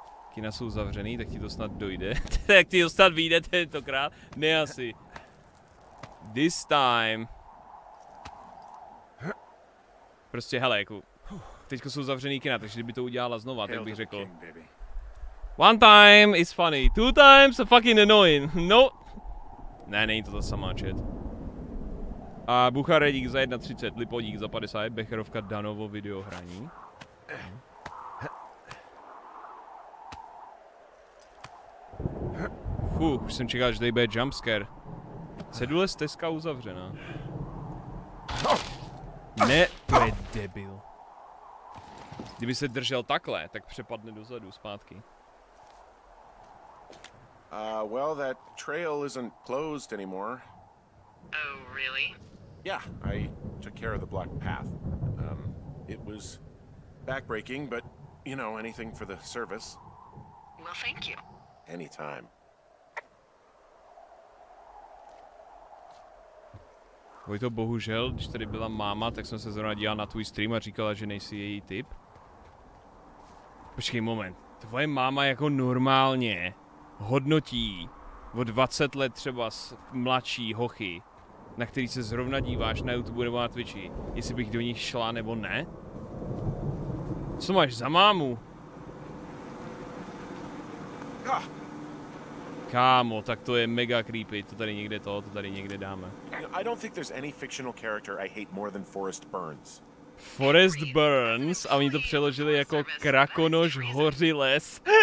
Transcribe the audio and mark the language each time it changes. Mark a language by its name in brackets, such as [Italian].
[Czech] Kina jsou zavřený, tak ti to snad dojde. Tak ti to snad vyjde tentokrát? Ne asi. [English] This time. [Czech] Prostě hele, jako... Teďko jsou zavřený kina, takže kdyby to udělala znova, tak bych řekl... [English] One time is funny, two times are fucking annoying. [Czech] No. Ne, není to ta samá chat. A Buchare, dík za 1.30, Lipo, dík za 50, Becherovka, Danovo videohraní. Fuh, už jsem čekal, že tady bude jumpscare. Cedule stezka uzavřena. Ne, to je debil. Kdyby se držel takhle, tak přepadne dozadu, zpátky. [English] Well, that trail isn't closed anymore. Oh, really? Yeah, I took care of the black path. It was backbreaking, but you know, anything for the service. Well, thank you. Anytime. [Czech] Vojto, bohužel, když tady byla máma, tak jsem se zrovna dělal na tvůj stream a říkala, že nejsi její typ. Počkej moment, tvoje máma jako normálně hodnotí o 20 let třeba s mladší hochy, na který se zrovna díváš na YouTube nebo na Twitchi, jestli bych do nich šla nebo ne? Co máš za mámu? Kámo, tak to je mega creepy, to tady někde dáme. [English] I don't think there's any fictional character I hate more than Forrest Burns. [Czech] Forrest Burns, a oni to přeložili jako krakonož hořiles.